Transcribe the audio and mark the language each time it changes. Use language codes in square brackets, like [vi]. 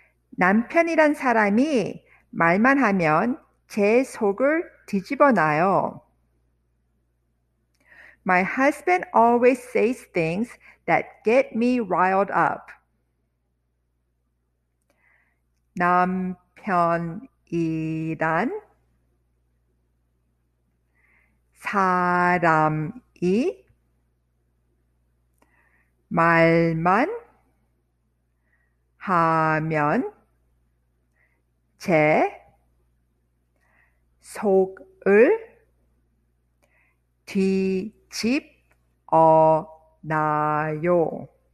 [ko] 남편이란 사람이 말만 하면 제 속을 뒤집어 놔요. [en] My husband always says things that get me riled up. [ko] 남편이란 사람이 말만 하면 제 속을 뒤집어 놔요.